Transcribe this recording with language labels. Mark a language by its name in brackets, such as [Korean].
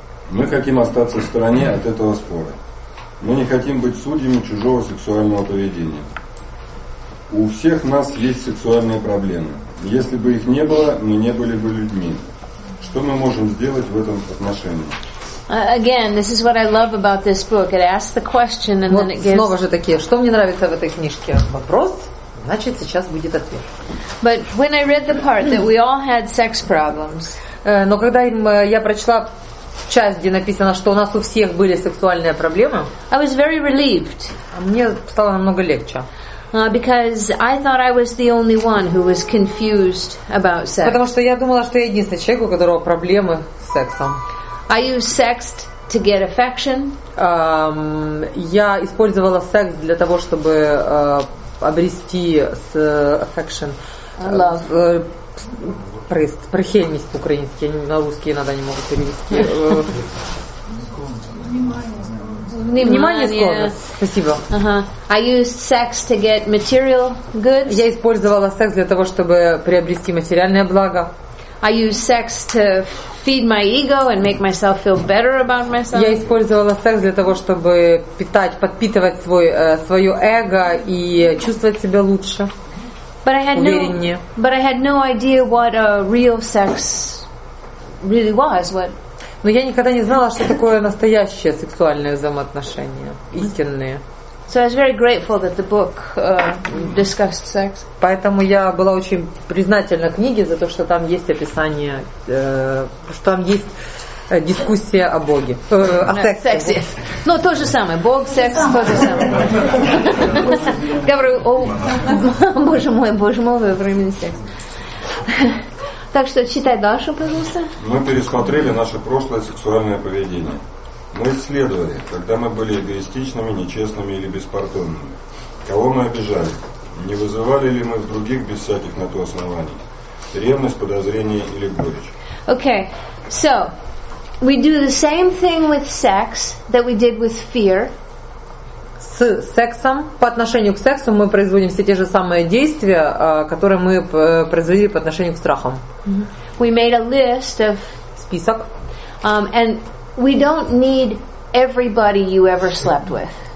[Russian] Мы хотим остаться в стороне от этого спора. Мы не хотим быть судьями чужого сексуального поведения. У всех нас есть сексуальные проблемы. Если бы их не было, мы не были бы людьми. Что мы можем сделать в этом отношении? [English] Again, this is what I love about this book. It asks the question and [Russian] вот [English] then it gives. [Russian] Снова же такие. Что мне нравится в этой книжке? Вопрос. Значит, сейчас будет ответ. [English] But when I read the part that we all had sex problems. [Russian] Но когда я прочла часть, где написано, что у нас у всех были сексуальные проблемы, [English] I was very relieved. [Russian] Мне стало намного легче. [English] Because I thought I was the only one who was confused about sex. [Russian] Потому что я думала, что я единственный человек, у которого проблемы с сексом. [English] I use sex to get affection. [Russian] Я использовала секс для того, чтобы обрести affection. [English] Love. [Russian] Прихильность по-украински. На русский иногда не могут перевести. Внимание, склонность. Спасибо. [English] I used sex to get material goods. [Russian] Я использовала секс для того, чтобы приобрести материальное благо. [English] I use sex to feed my ego and make myself feel better about myself. [Russian] Я использовала секс для того, чтобы подпитывать свое эго и чувствовать себя лучше. [English] But I had no idea what a real sex really was. What? [Russian] Но я никогда не знала, что такое настоящее сексуальное взаимоотношение, истинное. [English] So I was very grateful that the book discussed sex. [Russian] Поэтому я была очень признательна книге за то, что там есть описание, что там есть дискуссия о Боге, о сексе. Ну, то же самое. Бог, секс, то же самое. Говорю, о, боже мой, во времени секс. Так что читай дальше, пожалуйста. Мы пересмотрели наше прошлое сексуальное поведение. Мы исследовали, когда мы были эгоистичными, нечестными или беспардонными. Кого мы обижали? Не вызывали ли мы в других без всяких на то оснований? Ревность, подозрение или горечь? [English] Okay, so we do the same thing with sex that we did with fear. [Russian] С сексом, по отношению к сексу мы производим все те же самые действия, которые мы производили по отношению к страхам. [English] We made a list of [Russian] список. [English] And we don't need everybody you ever slept with.